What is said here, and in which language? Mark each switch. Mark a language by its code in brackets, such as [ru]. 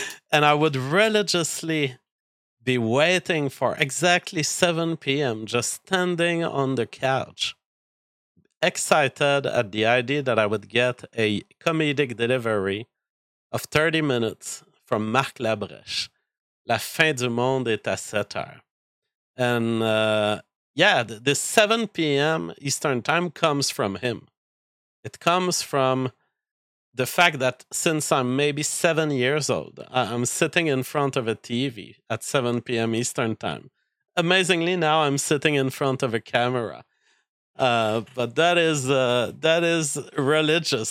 [en] And I would religiously be waiting for exactly 7 p.m., just standing on the couch, excited at the idea that I would get a comedic delivery of 30 minutes from Marc Labrèche. [fr] La fin du monde est à 7 heures. [en] And the 7 p.m. Eastern time comes from him. It comes from the fact that since I'm maybe 7 years old, I'm sitting in front of a TV at 7 p.m. Eastern time. Amazingly, now I'm sitting in front of a camera. But that is religious.